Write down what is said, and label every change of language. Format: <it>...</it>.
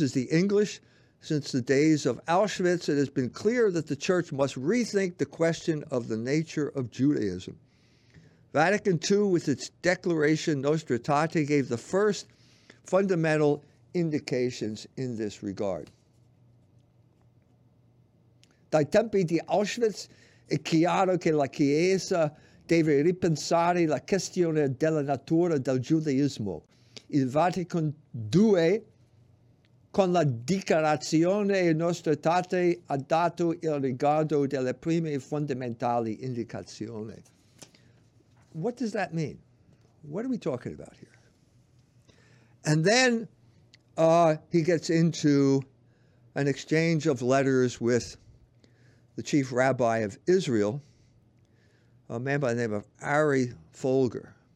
<en>Since the days of Auschwitz, it has been clear that the church must rethink the question of the nature of Judaism. Vatican II, with its declaration Nostra Aetate, gave the first fundamental indications in this regard.</en> <it>Dai tempi di Auschwitz è chiaro che la Chiesa deve ripensare la questione della natura del Giudaismo. Il Vatican II, con la dichiarazione Nostra Aetate, ha dato il riguardo delle prime fondamentali indicazioni.</it> <en>What does that mean? What are we talking about here? And then he gets into an exchange of letters with the chief rabbi of Israel, a man by the name of Ari Folger.</en>